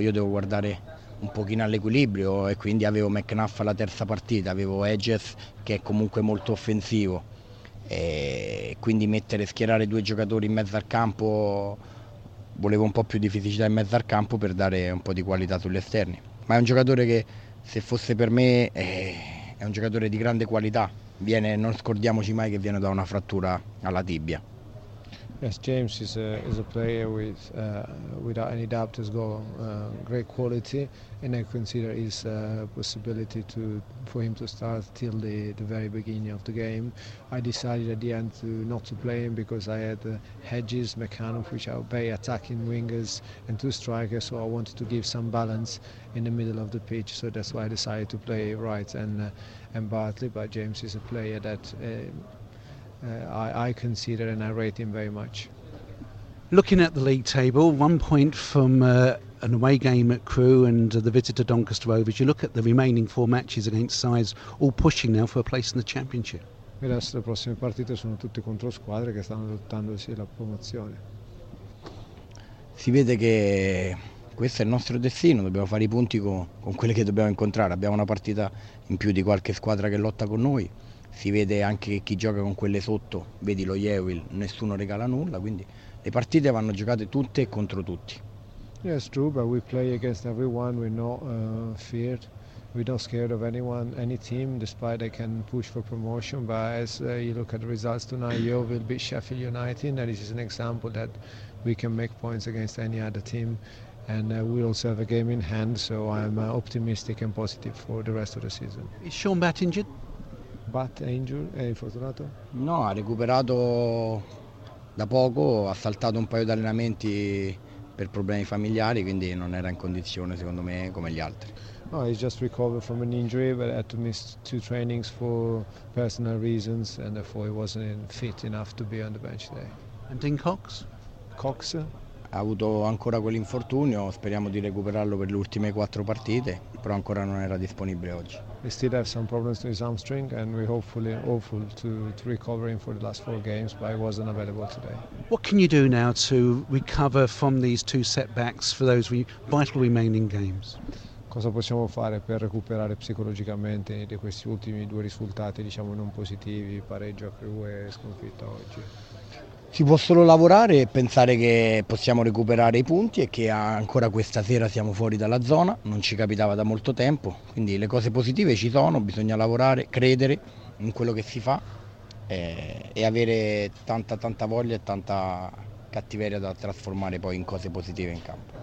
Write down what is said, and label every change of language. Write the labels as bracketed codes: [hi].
[it] Io devo guardare un pochino all'equilibrio, e quindi avevo McNuff alla terza partita, avevo Edges che è comunque molto offensivo, e quindi schierare due giocatori in mezzo al campo, volevo un po' più di fisicità in mezzo al campo per dare un po' di qualità sugli esterni. Ma è un giocatore che, se fosse per me, è un giocatore di grande qualità. Non scordiamoci mai che viene da una frattura alla tibia. [en] Yes, James is a player with without any doubt has got great quality, and I consider his possibility for him to start till the very beginning of the game. I decided at the end not to play him because I had Hedges, McCannough, which are very attacking wingers, and two strikers, so I wanted to give some balance in the middle of the pitch, so that's why I decided to play Wright and Bartley. But James is a player that I consider and I rate him very much. Looking at the league table, 1 point from an away game at Crewe and the visit to Doncaster Rovers. You look at the remaining four matches against sides all pushing now for a place in the Championship. [it] E adesso le prossime partite sono tutte contro squadre che stanno lottandosi la promozione. Si vede che questo è il nostro destino, dobbiamo fare i punti con quelle che dobbiamo incontrare. Abbiamo una partita in più di qualche squadra che lotta con noi. Si vede anche chi gioca con quelle sotto, vedi lo Yeovil, nessuno regala nulla, quindi le partite vanno giocate tutte e contro tutti. [en] Yes, true, but we play against everyone, we're not feared, we're not scared of anyone, any team, despite they can push for promotion, but as you look at the results tonight, Yeovil beat Sheffield United, and this is an example that we can make points against any other team, and we also have a game in hand, so I'm optimistic and positive for the rest of the season. Is Sean Batt injured? [it] Bat Angel è infortunato? No, ha recuperato da poco, ha saltato un paio di allenamenti per problemi familiari, quindi non era in condizione, secondo me, come gli altri. [en] No, he's just recovered from an injury, but had to miss two trainings for personal reasons, and therefore he wasn't fit enough to be on the bench today. And Dean Cox? Cox? [it] Ha avuto ancora quell'infortunio, speriamo di recuperarlo per le ultime quattro partite, però ancora non era disponibile oggi. [en] He still has some problems to his hamstring, and we're hopeful to recover him for the last four games, but he wasn't available today. What can you do now to recover from these two setbacks for those vital remaining games? [it] Cosa possiamo fare per recuperare psicologicamente di questi ultimi due risultati, diciamo non positivi, pareggio a Crewe e sconfitta oggi? Si può solo lavorare e pensare che possiamo recuperare i punti e che ancora questa sera siamo fuori dalla zona, non ci capitava da molto tempo, quindi le cose positive ci sono, bisogna lavorare, credere in quello che si fa e avere tanta voglia e tanta cattiveria da trasformare poi in cose positive in campo.